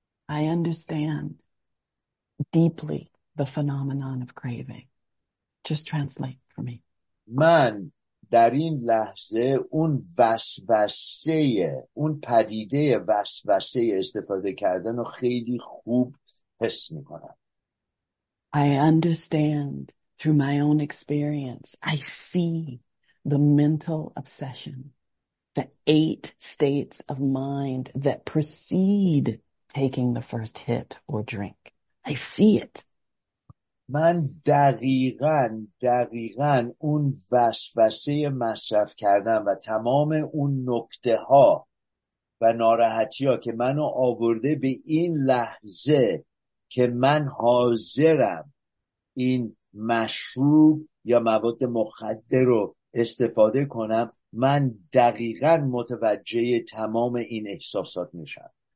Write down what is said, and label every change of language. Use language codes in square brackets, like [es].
[en] I understand deeply the phenomenon of craving. Just translate for me. [fa] من در این لحظه اون وسوسه، اون پدیده وسوسه استفاده کردن رو خیلی خوب حس میکنم. [en] I understand through my own experience. I see the mental obsession, the eight states of mind that precede taking the first hit or drink. I see it. [fa] من دقیقاً اون وسوسه مصرف کردن و تمام اون نکته ها و ناراحتی ها که منو آورده به این لحظه که من حاضرم این مشروب یا مواد مخدر رو استفاده کنم، من دقیقاً متوجه تمام این احساسات میشم.